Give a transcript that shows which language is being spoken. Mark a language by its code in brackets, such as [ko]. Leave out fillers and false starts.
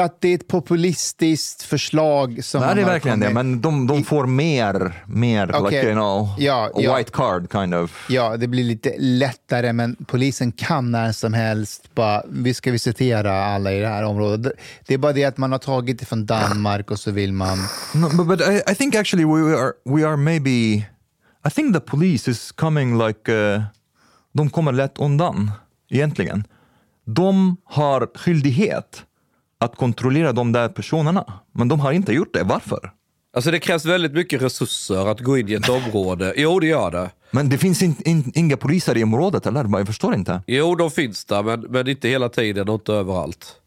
[sv] Att det är ett populistiskt förslag. Som nej, det är verkligen det. Men de får mer [en] okay. Like, you know, white card kind of. [sv] Ja, det blir lite lättare. Men polisen kan när som helst bara, vi ska visitera alla i det här området. Det är bara det att man har tagit det från Dan. Mark och så vill man. [en] No, but I think actually we are maybe I think the police is coming like [sv] de kommer lätt undan egentligen. De har skyldighet att kontrollera de där personerna, men de har inte gjort det. Varför? Alltså det krävs väldigt mycket resurser att gå in i ett område. Jo, det gör det. Men det finns inga poliser i området eller? Jag förstår inte. Jo, de finns där, men inte hela tiden och inte överallt.